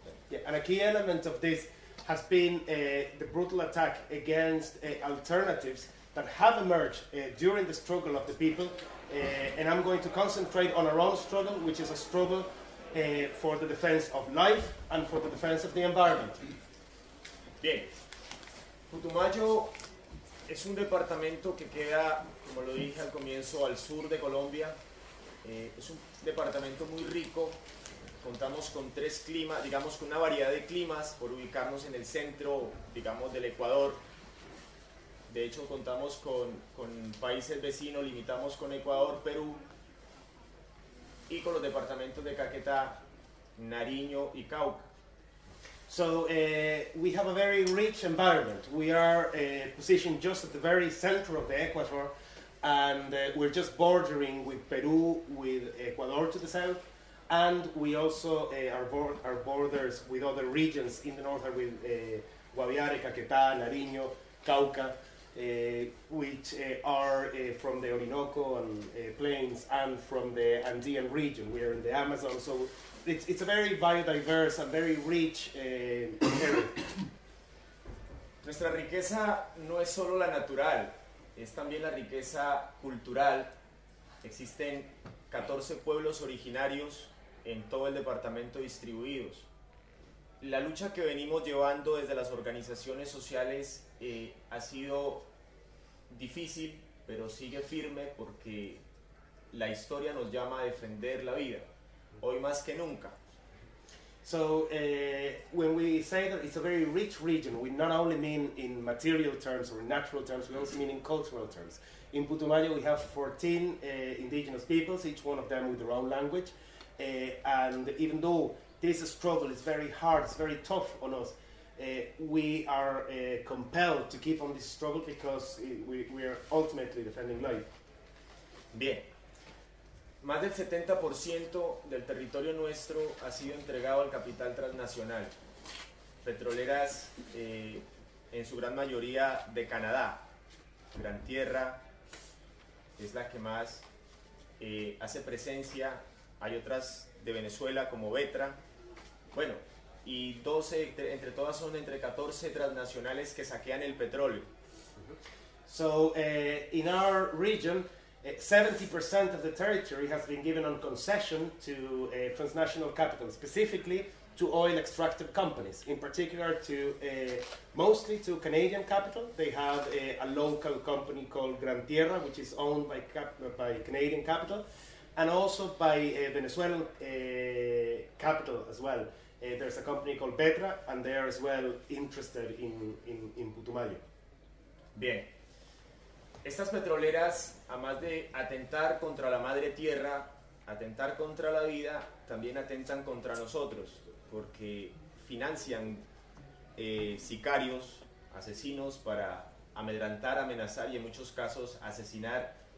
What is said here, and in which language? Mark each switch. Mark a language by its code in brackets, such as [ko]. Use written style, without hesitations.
[en] Yeah, and a key element of this has been the brutal attack against alternatives that have emerged during the struggle of the people. And I'm going to concentrate on our own struggle, which is a struggle for the defense of life and for the defense of the environment. [es] Bien. Putumayo es un departamento que queda, como lo dije al comienzo, al sur de Colombia. Es un departamento muy rico. Contamos con tres climas, digamos con una variedad de climas, por ubicarnos en el centro, digamos, del Ecuador. De hecho, contamos con países vecinos, limitamos con Ecuador, Perú y con los departamentos de Caquetá, Nariño y Cauca. [en] So, we have a very rich environment. We are positioned just at the very center of the Ecuador, and we're just bordering with Perú, with Ecuador to the south, and we also are borders with other regions in the north, with Guaviare, Caquetá, Nariño, Cauca, which are from the Orinoco and plains and from the Andean region. We are in the Amazon, so it's a very biodiverse and very rich area. [es] Nuestra riqueza no es solo la natural, es también la riqueza cultural. Existen 14 pueblos originarios en todo el departamento distribuidos. La lucha que venimos llevando desde las organizaciones sociales ha sido difícil, pero sigue firme porque la historia nos llama a defender la vida, hoy más que nunca. [en] So, when we say that it's a very rich region, we not only mean in material terms or in natural terms, we also mean in cultural terms. In Putumayo we have 14 indigenous peoples, each one of them with their own language, and even though this struggle is very hard, it's very tough on us, we are compelled to keep on this struggle because we are ultimately defending life. [es] Bien. Más del 70% del territorio nuestro ha sido entregado al capital transnacional. Petroleras, en su gran mayoría de Canadá. Gran Tierra es la que más hace presencia. Hay otras de Venezuela como Vetra. Bueno, y 12, entre todas son entre 14 transnacionales que saquean el petróleo. [en] So, in our region, 70% of the territory has been given on concession to transnational capital, specifically to oil extractive companies, in particular to, mostly to Canadian capital. They have a local company called Gran Tierra, which is owned by Canadian capital, and also by Venezuelan capital as well. There's a company called Petra, and they are as well interested in Putumayo. [es] Bien. Estas petroleras, a más de atentar contra la madre tierra, atentar contra la vida, también atentan contra nosotros, porque financian sicarios, asesinos, para amedrantar, amenazar y en muchos casos asesinar